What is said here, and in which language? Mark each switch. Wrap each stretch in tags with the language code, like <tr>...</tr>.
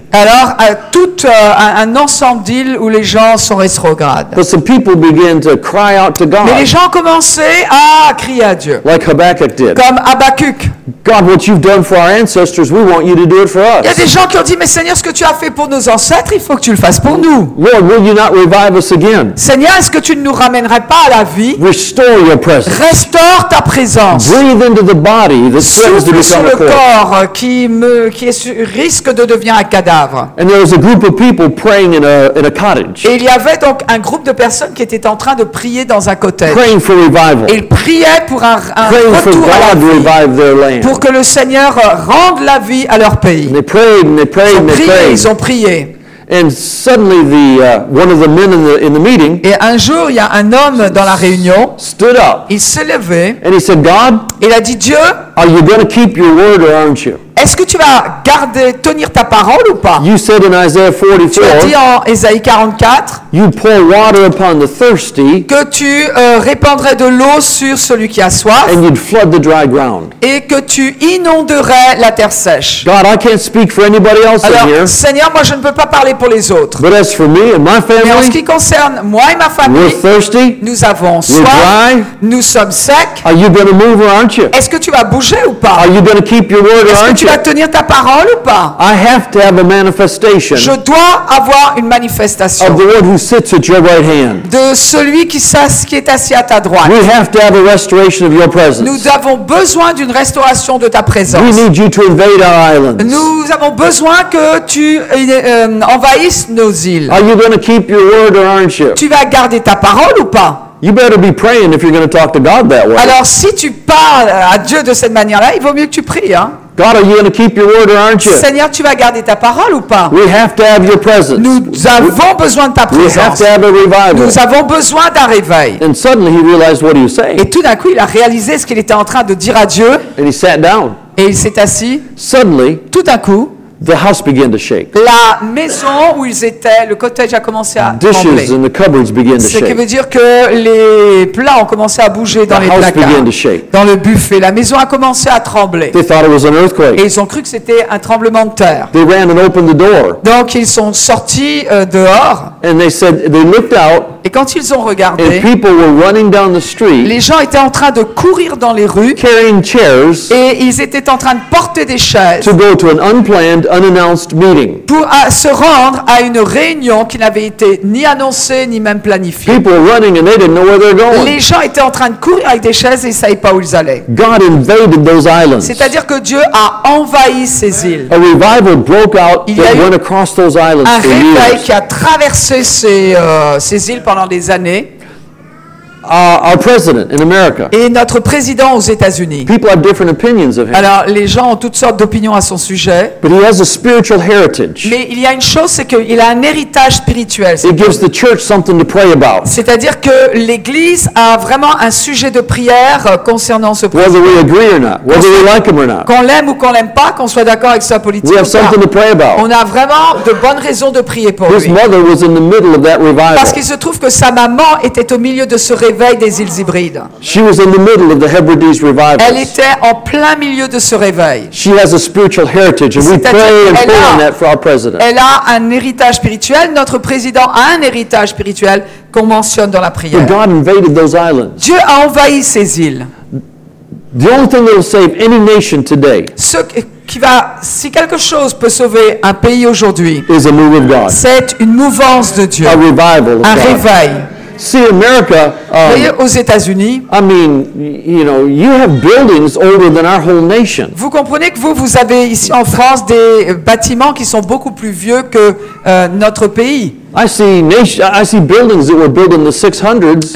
<fr>Alors, tout un ensemble d'îles où les gens sont rétrogrades.</fr> <en>But some people began to cry out to God.</en> <fr>Mais les gens commençaient à crier à Dieu.</fr> <en>Like Habakkuk did.</en> <fr>Comme Habakkuk.</fr> <en>God, what you've done for our ancestors, we want you to do it for us.</en> <fr>Il y a des gens qui ont dit, mais Seigneur, ce que tu as fait pour nos ancêtres, il faut que tu le fasses pour nous.</fr> <en>Lord, will you not revive us again?</en> <fr>Seigneur, que tu ne nous ramènerais pas à la vie.</fr> <en>Restore your presence.</en> <fr>Restaure ta présence.</fr> <en>Breathe into the body that threatens to become a corpse.</en> <fr>Souffle sur le corps qui risque de devenir un cadavre.</fr> <en>And there was a group of people praying in a cottage.</en> <fr>Et il y avait donc un groupe de personnes qui étaient en train de prier dans un cottage.</fr> <en>Praying for revival.</en> <fr>Ils priaient pour un</fr> <en>praying</en> <fr>retour</fr> <en>for God</en> <fr>à la vie,</fr> <en>their land.</en> <fr>Pour que le Seigneur rende la vie à leur pays.</fr> <en>And they prayed, and they prayed,</en> <fr>ils ont prié,</fr> <en>and they prayed.</en> <fr>Ils ont prié.</fr> <en>And suddenly one of the men in the meeting,</en> <fr>et un jour il y a un homme dans la réunion,</fr> <en>stood up,</en> <fr>il s'est levé,</fr> <en>and he said, God,</en> <fr>il a dit, Dieu,</fr> <en>are you going to keep your word or aren't you?</en> <fr>Est-ce que tu vas garder tenir ta parole ou pas?</fr> <en>You said in Isaiah 44,</en> <fr>tu as dit en Ésaïe 44,</fr> <en>you pour water upon the thirsty,</en> <fr>que tu répandrais de l'eau sur celui qui a soif,</fr> <en>and you'd flood the dry ground,</en> <fr>et que tu inonderais la terre sèche.</fr> <en>God, I can't speak for anybody else.</en> <fr>Alors,</fr> <en>in here,</en> <fr>Seigneur, moi je ne peux pas parler pour les autres.</fr> <en>But as for me and my family,</en> <fr>mais en ce qui concerne moi et ma famille,</fr> <en>we're thirsty,</en> <fr>nous avons soif,</fr> <en>we're dry,</en> <fr>nous sommes secs.</fr> <en>Are you gonna move or aren't you?</en> <fr>Est-ce que tu vas bouger ou pas?</fr> <en>Are you gonna keep your word or aren't you?</en> <fr>Tu vas tenir ta parole ou pas?</fr> <en>I have to have a manifestation.</en> <fr>Je dois avoir une manifestation.</fr> <en>Of the Lord who sits at your right hand.</en> <fr>De celui qui est assis à ta droite.</fr> <en>We have to have a restoration of your presence.</en> <fr>Nous avons besoin d'une restauration de ta présence.</fr> <en>We need you to invade our islands.</en> <fr>Nous avons besoin que tu envahisses nos îles.</fr> <en>Are you going to keep your word or aren't you?</en> <fr>Tu vas garder ta parole ou pas?</fr> <en>You better be praying if you're going to talk to God that way.</en> <fr>Alors si tu parles à Dieu de cette manière-là, il vaut mieux que tu pries, hein.</fr> <en>God, are you going to keep your word or aren't you?</en> <fr>Seigneur, tu vas garder ta parole ou pas?</fr> <en>We have to have your presence.</en> <fr>Nous avons besoin de ta présence.</fr> <en>We have to have a revival.</en> <fr>Nous avons besoin d'un réveil.</fr> <en>And suddenly he realized what he was saying.</en> <fr>Et tout d'un coup, il a réalisé ce qu'il était en train de dire à Dieu.</fr> <en>And he sat down.</en> <fr>Et il s'est assis.</fr> <en>Suddenly,</en> <fr>tout d'un coup,</fr> <en>the house began to shake.</en> <fr>La maison où ils étaient, le cottage a commencé à trembler.</fr> <en>Dishes in the cupboards began to shake.</en> <fr>Ce qui veut dire que les plats ont commencé à bouger dans les placards.</fr> <en>The house began to shake.</en> <fr>Dans le buffet, la maison a commencé à trembler.</fr> <en>They thought it was an earthquake.</en> <fr>Et ils ont cru que c'était un tremblement de terre.</fr> <en>They ran and opened the door.</en> <fr>Donc ils sont sortis dehors.</fr> <en>And they said they looked out.</en> <fr>Et quand ils ont regardé,</fr> <en>and people were running down the street,</en> <fr>les gens étaient en train de courir dans les rues,</fr> <en>carrying chairs,</en> <fr>et ils étaient en train de porter des chaises,</fr> <en>to go to an unplanned, unannounced meeting.</en> <fr>Pour se rendre à une réunion qui n'avait été ni annoncée ni même planifiée.</fr> <en>People running and they didn't know where they're going.</en> <fr>Les gens étaient en train de courir avec des chaises et ils ne savaient pas où ils allaient.</fr> <en>God invaded those islands.</en> <fr>C'est-à-dire que Dieu a envahi ces îles.</fr> <en>A revival broke out that went across those islands for years.</en> <fr>Un réveil qui a traversé ces îles pendant des années.</fr> <en>Our president in America.</en> <fr>Et notre président aux États-Unis.</fr> <en>People have different opinions of him.</en> <fr>Alors, les gens ont toutes sortes d'opinions à son sujet.</fr> <en>But he has a spiritual heritage.</en> <fr>Mais il y a une chose, c'est qu'il a un héritage spirituel.</fr> <en>It gives the church something to pray about.</en> <fr>C'est-à-dire que l'Église a vraiment un sujet de prière concernant ce président.</fr> <en>Whether we agree or not, whether we like him or not.</en> <fr>Qu'on l'aime ou qu'on l'aime pas, qu'on soit d'accord avec sa politique.</fr> <en>We have something to pray about.</en> <fr>On a vraiment de bonnes raisons de prier pour lui.</fr> <en>His mother was in the middle of that revival.</en> <fr>Parce qu'il se trouve que sa maman était au milieu de ce réveil. Des îles hybrides.</fr> <en>She was in the middle of the Hebrides revival.</en> <fr>Elle était en plein milieu de ce réveil.</fr> <en>She has a spiritual heritage, and</en> <fr>c'est-à-dire</fr> <en>we pray and pray on that for our president.</en> <fr>Elle a un héritage spirituel. Notre président a un héritage spirituel qu'on mentionne dans la prière.</fr> <en>But God invaded those islands.</en> <fr>Dieu a envahi ces îles.</fr> <en>The only thing that will save any nation today.</en> <fr>Si quelque chose peut sauver un pays aujourd'hui,</fr> <en>is a move of God.</en> <fr>C'est une mouvance de Dieu.</fr> <en>A revival of</en> <fr>un</fr> <en>God.</en> <fr>Réveil.</fr> <en>See America.</en> <fr>Voyez aux États-Unis.</fr> <en>I mean, you know, you have buildings older than our whole nation.</en> <fr>Vous comprenez que vous avez ici en France des bâtiments qui sont beaucoup plus vieux que notre pays.</fr> <en>I see buildings that were built in the 600s.</en>